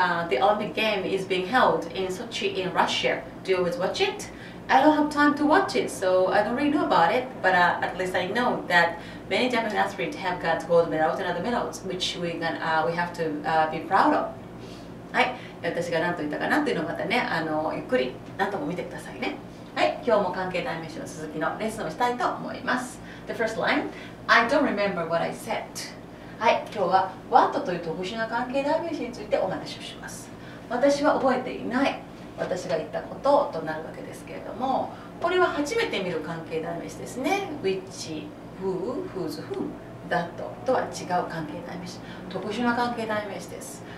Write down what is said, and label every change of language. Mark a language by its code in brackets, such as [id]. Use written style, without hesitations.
[en] The Olympic game is being held in Sochi in Russia. Do you always watch it? I don't have time to watch it, so I don't really know about it, but at least I know that many Japanese athletes have got gold medals and other medals, which we have to be proud of. [ja] はい、私が何と言ったかなっていうのをまたね、ゆっくり何とも見てくださいね。はい、今日も関係代名詞の続きのレッスンをしたいと思います。 [en] The first line, I don't remember what I said. [ja] はい、今日は What という特殊な関係代名詞についてお話をします。私は覚えていない、私が言ったこととなるわけですけれども、これは初めて見る関係代名詞ですね。 Which, Who, Who's Who, That とは違う関係代名詞、特殊な関係代名詞です。